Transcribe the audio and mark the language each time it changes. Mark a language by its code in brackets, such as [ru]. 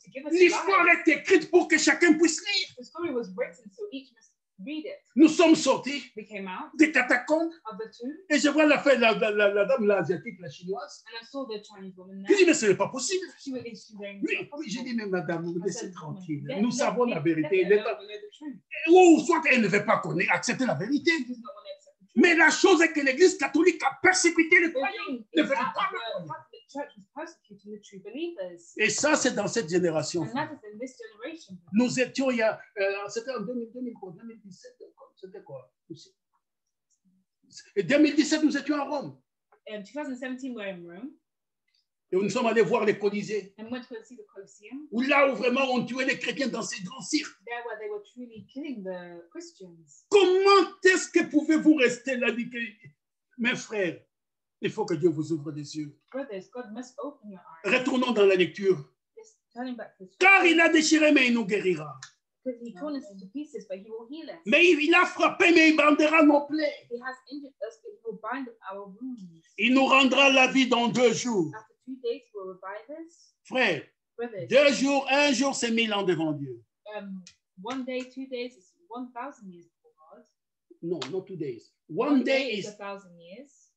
[fr] L'histoire est écrite pour que chacun puisse lire. [en] The story was written, so each must read it. [fr] Nous sommes sortis [en] we came out [fr] des catacombes. [en] Of the tomb. [fr] Et je vois la dame, l'asiatique, la chinoise. [en] And I saw the Chinese woman there. [fr] Je dis, mais ce n'est pas possible. Oui, j'ai dit, mais madame, vous laissez tranquille. Nous savons la vérité. Ou soit qu'elle ne veut pas qu'on ait accepté la vérité. Mais la chose est que l'Église catholique a persécuté les croyants. Ne veut pas. [en] Church was persecuting the true believers. [fr] Et ça, c'est dans cette génération. [en] And that is in this generation. [fr] Nous étions, c'était en 2017, c'était quoi? 2017, nous étions à Rome. [en] In 2017, we were in Rome. [fr] Et nous sommes allés voir les Colisées. [en] And went to see the Colosseum. [fr] Où là où vraiment on tuait les chrétiens dans ces grands cirques. [en] There where they were truly killing the Christians. [fr] Comment est-ce que pouvez-vous rester là, mes frères? Il faut que Dieu vous ouvre les yeux. [en] Brothers, God must open your eyes. [fr] Retournons dans la lecture. [en] Yes, turning back to [fr] the Car il a déchiré, mais il nous guérira. [en] Because he torn us into pieces, but he will heal us. [fr] Mais il a frappé, mais il bandera nos plaies. [en] He has injured us, but he will bind our wounds. [fr] Il nous rendra la vie dans deux jours. [en] After 2 days, we will revive us. [fr] Frère, [en] Brothers, [fr] deux jours, un jour, c'est 1000 ans devant Dieu. [en] One day, 2 days is 1,000 years before God. No, not 2 days. One day is 1,000 years.